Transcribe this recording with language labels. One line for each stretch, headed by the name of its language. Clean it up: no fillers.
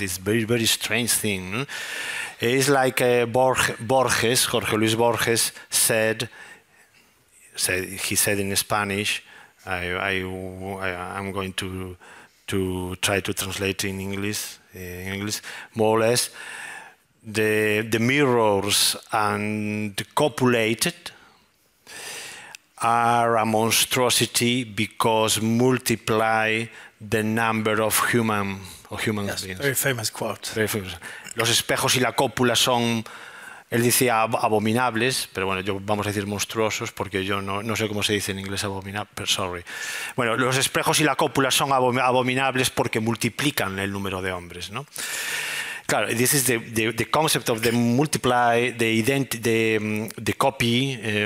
English: It's very, very strange thing. No? It's like Jorge Luis Borges said in Spanish, I'm going to try to translate in English, more or less, the mirrors and copulated are a monstrosity because multiply the number of human yes, beings. Very famous quote. Very famous.
Spanish: Los espejos y la cópula son, él decía, abominables, pero bueno, yo vamos a decir monstruosos porque yo no sé cómo se dice en inglés abominable, pero sorry. Bueno, los espejos y la cópula son abominables porque multiplican el número de hombres, ¿no?
English: Claro, this is the concept of the multiply, the identity, the copy.